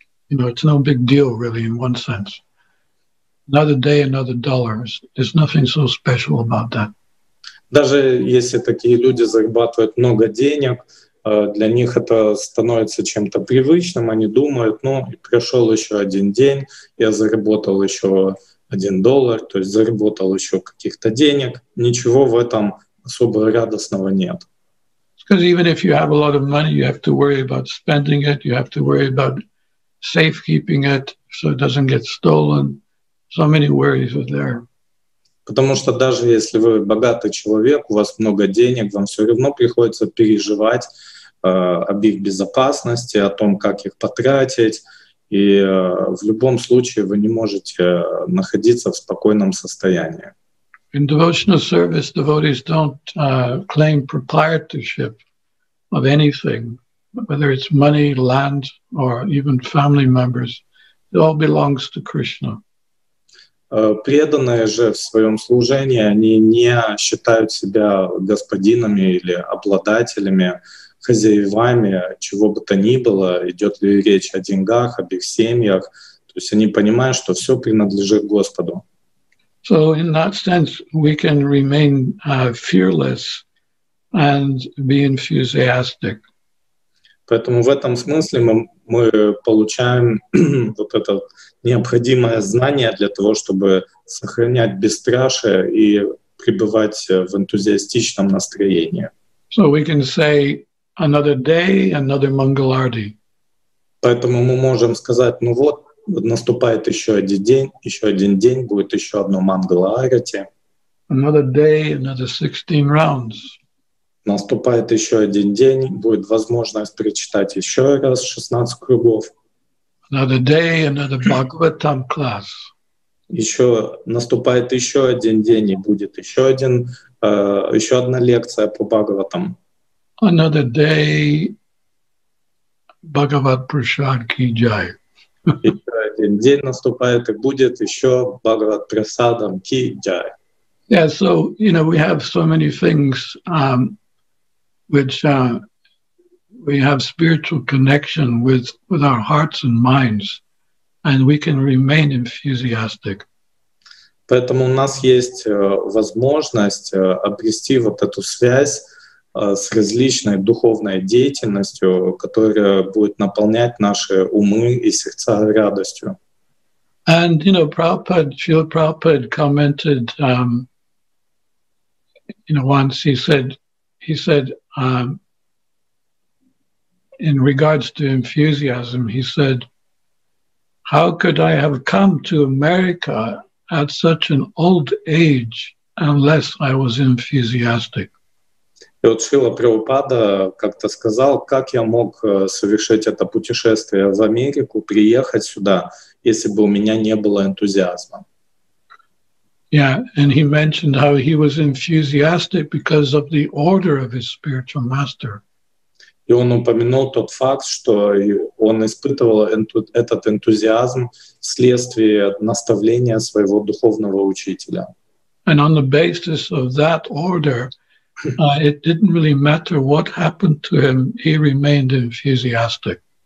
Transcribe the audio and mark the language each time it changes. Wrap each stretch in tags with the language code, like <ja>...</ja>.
<en>It's no big deal, really, in one sense. Another day, another dollar. There's nothing so special about that.</en> <ru>Даже если такие люди зарабатывают много денег, для них это становится чем-то привычным. Они думают, ну, прошел еще один день, я заработал еще один доллар, то есть заработал еще каких-то денег. Ничего в этом особо радостного нет.</ru> <en>Because even if you have a lot of money, you have to worry about spending it, you have to worry about safekeeping it so it doesn't get stolen. So many worries are there.</en> <ru>Потому что даже если вы богатый человек, у вас много денег, вам все равно приходится переживать об их безопасности, о том, как их потратить, и в любом случае вы не можете находиться в спокойном состоянии.</ru> <en>In devotional service, devotees don't claim proprietorship of anything, whether it's money, land, or even family members. It all belongs to Krishna.</en> <ru>Преданные же в своем служении, они не считают себя господинами или обладателями, хозяевами, чего бы то ни было, идет ли речь о деньгах, об их семьях. То есть они понимают, что все принадлежит Господу.</ru> <en>So in that sense, we can remain fearless and be enthusiastic.</en> <ru>Поэтому в этом смысле мы получаем вот это необходимое знание для того, чтобы сохранять бесстрашие и пребывать в энтузиастичном настроении.</ru> <en>So we can say another day, another Mangalarti.</en> <ru>Поэтому мы можем сказать, ну вот, наступает еще один день, будет еще одно Мангаларати.</ru> <en>Another day, another 16 rounds.</en> <ru>Наступает еще один день, будет возможность прочитать еще раз 16 кругов.</ru> <en>Another day, another Bhagavatam class.</en> <ru>Еще наступает еще один день, и будет еще одна лекция по Бхагаватам.</ru> <en>Another day, Bhagavat Prasad Ki Jai.</en> <ru>День наступает, и будет еще Бхагават Прасадам Ки Джай.</ru> <en>Yeah, so, you know, we have so many things which we have spiritual connection with our hearts and minds, and we can remain enthusiastic.</en> <ru>Поэтому у нас есть возможность обрести вот эту связь с различной духовной деятельностью, которая будет наполнять наши умы и сердца радостью.</ru> <en>And, you know, Prabhupada, Srila Prabhupada commented, once he said, in regards to enthusiasm, he said, how could I have come to America at such an old age unless I was enthusiastic?</en> <ru>И вот Шрила Прабхупада как-то сказал, как я мог совершить это путешествие в Америку, приехать сюда, если бы у меня не было энтузиазма.</ru> <en>Yeah, and he mentioned how he was enthusiastic because of the order of his spiritual master.</en> <ru>И он упомянул тот факт, что он испытывал этот энтузиазм вследствие наставления своего духовного учителя.</ru> <en>And on the basis of that order, it didn't really matter what happened to him, he remained enthusiastic.</en>